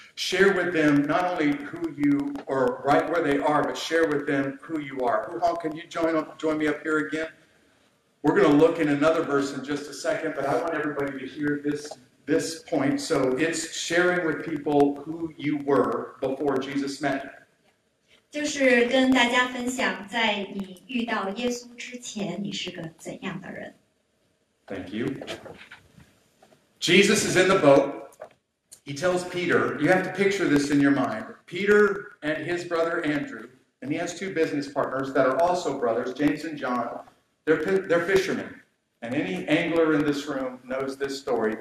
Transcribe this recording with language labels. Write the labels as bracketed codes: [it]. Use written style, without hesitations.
[en] Share with them not only who you are, right where they are, but share with them who you are. Hu-Hong, can you join me up here again? We're going to look in another verse in just a second, but I want everybody to hear this point. So it's sharing with people who you were before Jesus met. [zh] 就是跟大家分享在你遇到耶稣之前你是个怎样的人。 [en] Thank you. Jesus is in the boat. He tells Peter, you have to picture this in your mind. Peter and his brother Andrew, and he has two business partners that are also brothers, James and John. They're fishermen. And any angler in this room knows this story.